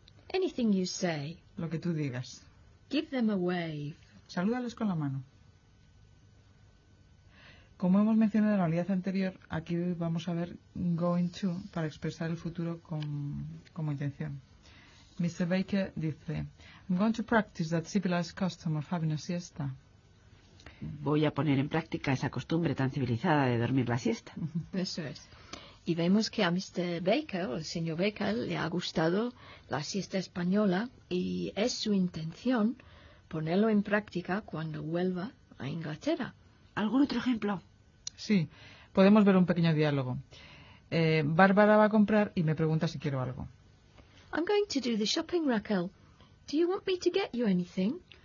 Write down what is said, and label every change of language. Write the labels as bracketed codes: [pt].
[en] Anything you say. [es] Lo que tú digas. [en] Give them a wave. [es] Salúdales con la mano. Como hemos mencionado en la unidad anterior, aquí vamos a ver going to para expresar el futuro como intención. [en] Mr. Baker [es] dice, [en] I'm going to practice that civilized custom of having a siesta. [es] Voy a poner en práctica esa costumbre tan civilizada de dormir la siesta. Eso es. Y vemos que a Mr. Baker, o el señor Baker, le ha gustado la siesta española y es su intención ponerlo en práctica cuando vuelva a Inglaterra. ¿Algún otro ejemplo? Sí, podemos ver un pequeño diálogo. Bárbara va a comprar y me pregunta si quiero algo. [en] I'm going to do the shopping, Raquel. Do you want me to get you anything?